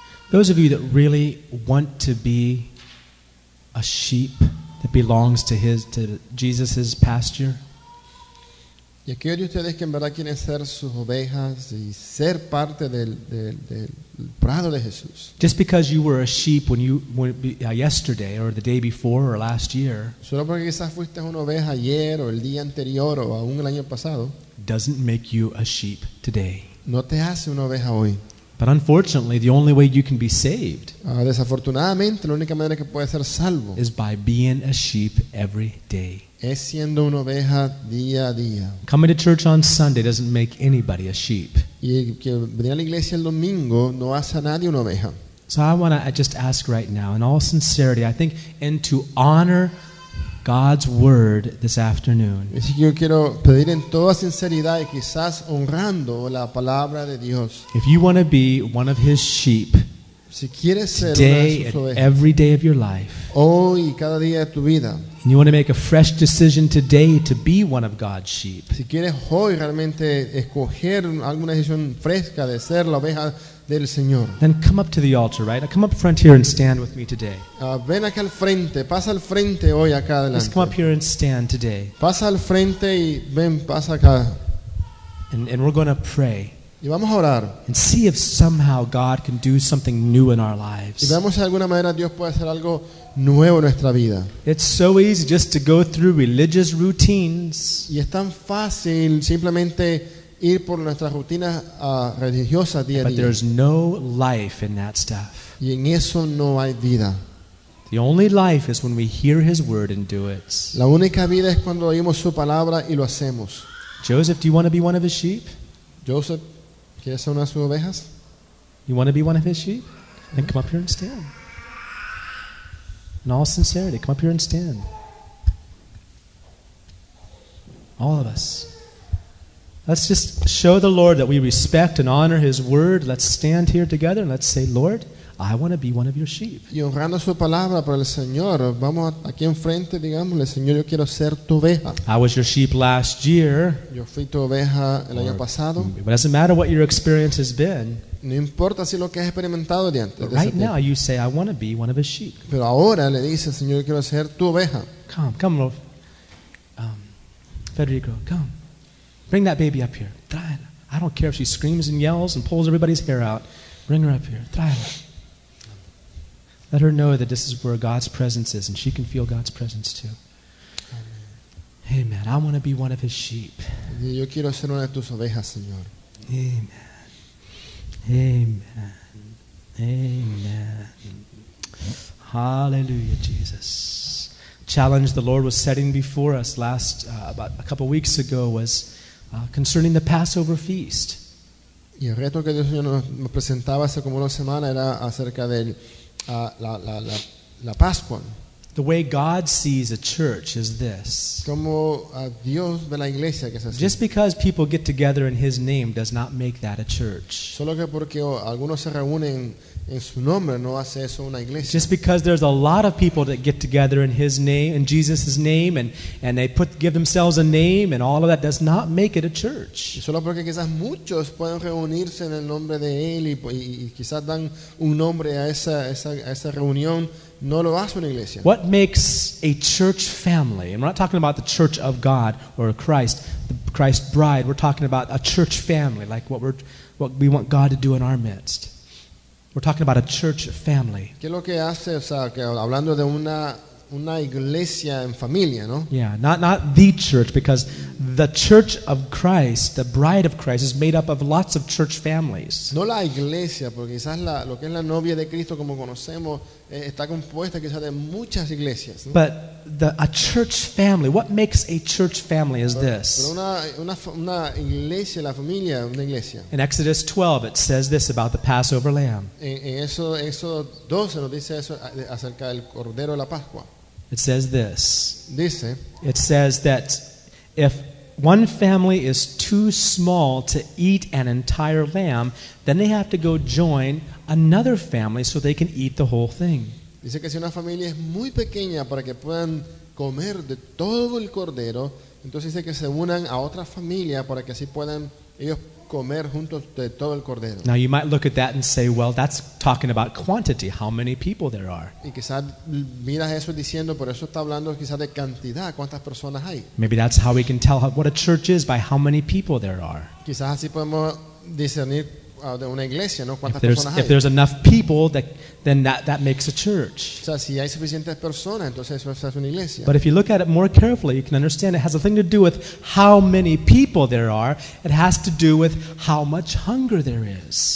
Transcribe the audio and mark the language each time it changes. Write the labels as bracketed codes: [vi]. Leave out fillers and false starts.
[en] Those of you that really want to be a sheep that belongs to Jesus' pasture. [es] Y aquellos de ustedes que en verdad quieren ser sus ovejas y ser parte del prado de Jesús. [en] Just because you were a sheep yesterday or the day before or last year. [es] Solo porque quizás fuiste una oveja ayer o el día anterior o aún el año pasado. [en] Doesn't make you a sheep today. [es] No te hace una oveja hoy. [en] But unfortunately, the only way you can be saved [es] desafortunadamente, la única manera que puedes ser salvo [en] is by being a sheep every day. [es] Es siendo una oveja día a día. [en] Coming to church on Sunday doesn't make anybody a sheep. [es] Y que venir a la iglesia el domingo no hace a nadie una oveja. [en] So I want to just ask right now, in all sincerity, I think, and to honor God's word this afternoon. [es] Así que yo quiero pedir en toda sinceridad y quizás honrando la palabra de Dios. [en] If you want to be one of his sheep, [es] si quieres ser [en] today [es] una de sus ovejas, [en] every day of your life, [es] hoy y cada día de tu vida, [en] and you want to make a fresh decision today to be one of God's sheep, [es] si quieres hoy realmente escoger alguna decisión fresca de ser la oveja del Señor, [en] then come up to the altar, right? Come up front here and stand with me today. [es] Ven acá al frente, pasa al frente hoy acá adelante. [en] Just come up here and stand today. [es] Pasa al frente y ven, pasa acá. [en] And we're going to pray. [es] Y vamos a orar. [en] And see if somehow God can do something new in our lives. [es] Y vemos si de alguna manera Dios puede hacer algo nuevo en nuestra vida. [en] It's so easy just to go through religious routines. [es] Y es tan fácil simplemente ir por nuestras rutinas religiosas día a día. [en] But there's no life in that stuff. [es] Y en eso no hay vida. [en] The only life is when we hear His word and do it. [es] La única vida es cuando oímos su palabra y lo hacemos. [en] Joseph, do you want to be one of His sheep? [es] Joseph, ¿quieres ser una de sus ovejas? [en] You want to be one of His sheep? Then come up here and stand. In all sincerity, come up here and stand. All of us. Let's just show the Lord that we respect and honor His word. Let's stand here together and let's say, Lord, I want to be one of your sheep. [es] Y honrando su palabra por el Señor, vamos aquí enfrente, digámosle, Señor, yo quiero ser tu oveja. [en] I was your sheep last year. [es] Yo fui tu oveja el año pasado. [en] It doesn't matter what your experience has been. [es] No importa si lo que has experimentado de antes. [en] But right now you say, I want to be one of his sheep. [es] Pero ahora le dices, Señor, yo quiero ser tu oveja. [en] Come, Lord. Federico, come. Bring that baby up here. [es] Tráela. [en] I don't care if she screams and yells and pulls everybody's hair out. Bring her up here. [es] Tráela. [en] Let her know that this is where God's presence is and she can feel God's presence too. Amen. I want to be one of his sheep. [es] Yo quiero ser una de tus ovejas, Señor. [en] Amen. Amen. Amen. Hallelujah, Jesus. Challenge the Lord was setting before us last, about a couple weeks ago, was concerning the Passover feast. [es] Y el reto que Dios nos presentaba hace como una semana era acerca de la Pascua. [en] The way God sees a church is this. [es] Como Dios ve la iglesia, que es así. [en] Just because people get together in His name does not make that a church. [es] Solo que porque algunos se reúnen en su nombre no hace eso una iglesia. [en] Just because there's a lot of people that get together in His name, in Jesus' name, and they give themselves a name and all of that does not make it a church. [es] Y solo porque quizás muchos pueden reunirse en el nombre de Él y quizás dan un nombre a esa reunión. No lo hace una iglesia. [en] What makes a church family? And we're not talking about the church of God or Christ, the Christ bride. We're talking about a church family, like what we want God to do in our midst. We're talking about a church family. [es] ¿Qué es lo que hace? O sea, que hablando de una iglesia en familia, ¿no? [en] Yeah, not the church, because the church of Christ, the bride of Christ, is made up of lots of church families. [es] No la iglesia, porque quizás lo que es la novia de Cristo como conocemos está compuesta quizás de muchas iglesias, ¿no? [en] But a church family, what makes a church family is this. [es] Pero una iglesia, la familia, una iglesia. [en] In Exodus 12, it says this about the Passover lamb. [es] En Éxodo 12 nos dice eso acerca del cordero de la Pascua. [en] It says this. [es] Dice. [en] It says that if one family is too small to eat an entire lamb, then they have to go join another family so they can eat the whole thing. [es] Dice que si una familia es muy pequeña para que puedan comer de todo el cordero, entonces dice que se unan a otra familia para que así puedan ellos comer juntos de todo el cordero. [en] Now you might look at that and say, well, that's talking about quantity, how many people there are. [es] Y quizás miras eso diciendo, por eso está hablando quizás de cantidad, cuántas personas hay. [en] Maybe that's how we can tell what a church is, by how many people there are. [es] Quizás así podemos discernir de una iglesia, ¿no? ¿Cuántas personas hay? [en] If there's enough people, then that makes a church. [es] O sea, si hay suficientes personas, entonces eso es una iglesia. [en] But if you look at it more carefully, you can understand it has a thing to do with how many people there are. It has to do with how much hunger there is.